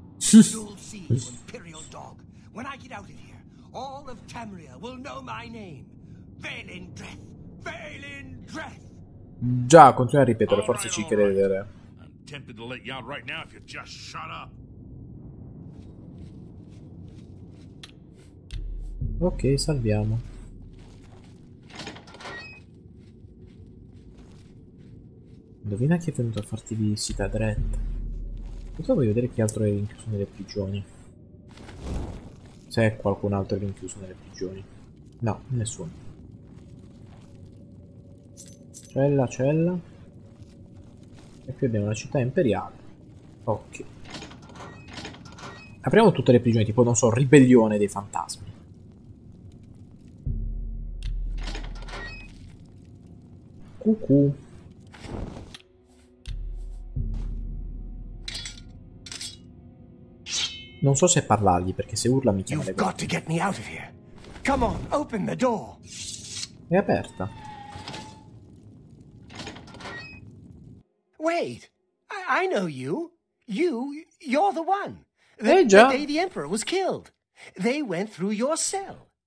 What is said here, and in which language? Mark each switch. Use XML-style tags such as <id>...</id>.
<en>You'll see, you imperial dog. When I get out of here, all of Tamriel will know my name. Valen Dreth. Valen Dreth.</en> <it>Già, continua a ripetere, forse ci credere.</it> <en>I'm tempted to let you out right now if you just shut up.</en> <it>Ok, salviamo. Indovina chi è venuto a farti visita, Dreth. Cosa voglio vedere chi altro è rinchiuso nelle prigioni? Se qualcun altro è rinchiuso nelle prigioni. No, nessuno. Cella, cella. E qui abbiamo la città imperiale. Ok. Apriamo tutte le prigioni, tipo, non so, ribellione dei fantasmi. Cucù. Non so se parlargli, perché se urla mi chiama.</it> <en>You've got to get me out of here. Come on, open the door.</en> <it>È aperta.</it> <en>Wait. I know you. You're the one. The day the emperor was killed. They went through your cell.</en>